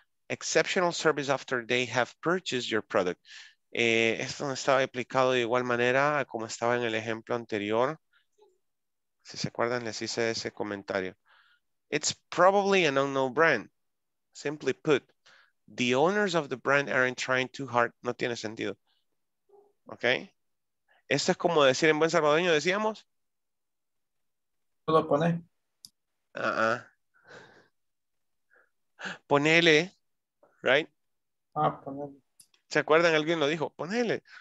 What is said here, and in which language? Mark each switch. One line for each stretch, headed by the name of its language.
English: Exceptional service after they have purchased your product.
Spanish: Esto no estaba aplicado de igual manera como estaba en el ejemplo anterior. Si se acuerdan, les hice ese comentario.
English: It's probably an unknown brand. Simply put, the owners of the brand aren't trying too hard.
Spanish: No tiene sentido. ¿Ok? Esto es como decir en buen salvadoreño, decíamos. ¿Tú lo pones? Ponele, right? Ah, ponele. ¿Se acuerdan? Alguien lo dijo. Ponele.